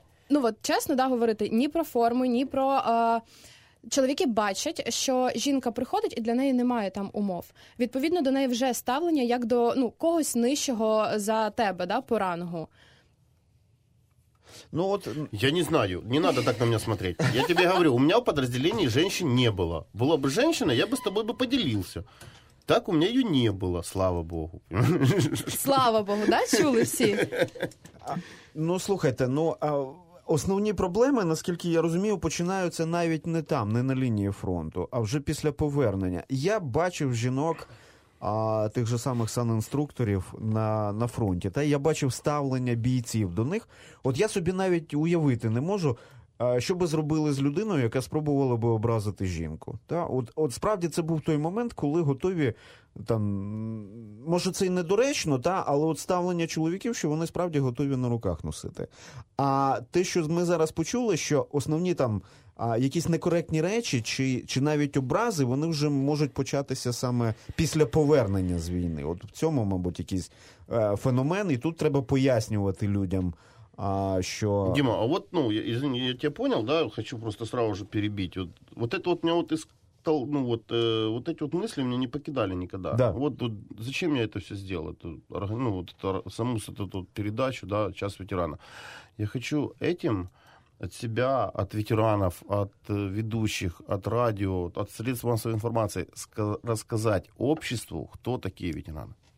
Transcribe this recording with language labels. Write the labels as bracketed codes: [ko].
[uk] Ну от, чесно, да, говорити, ні про форму, ні про... Чоловіки бачать, що жінка приходить і для неї немає там умов. Відповідно, до неї вже ставлення як до, ну, когось нижчого за тебе, да, по рангу. Ну от... [ru] Я не знаю, не надо так [uk] на мене [ru] смотреть. Я тебе говорю, у мене в подразделении женщин не было. [uk] Була б женщина, я б з тобою поділився. Так у мене її не було, слава Богу. Слава Богу, да, чули всі? Ну, слухайте, ну... Основні проблеми, наскільки я розумію, починаються навіть не там, не на лінії фронту, а вже після повернення. Я бачив жінок, тих же самих санінструкторів на фронті, та я бачив ставлення бійців до них. От я собі навіть уявити не можу, що би зробили з людиною, яка спробувала би образити жінку? Та? От справді це був той момент, коли готові, там, може це й недоречно, та? Але от ставлення чоловіків, що вони справді готові на руках носити. А те, що ми зараз почули, що основні там якісь некоректні речі чи навіть образи, вони вже можуть початися саме після повернення з війни. От в цьому, мабуть, якийсь феномен, і тут треба пояснювати людям, що... Діма, а от, ну, [ru] я тебе понял, да, хочу просто сразу же [uk] перебити. От це от мені от із... [ru] Ну, вот, вот эти вот мысли меня не покидали никогда. Да. Вот зачем я это все сделал? Ну, вот это, саму эту передачу, да, «Час ветерана». Я хочу этим от себя, от ветеранов, от ведущих, от радио, от средств массовой информации рассказать обществу, кто такие ветераны.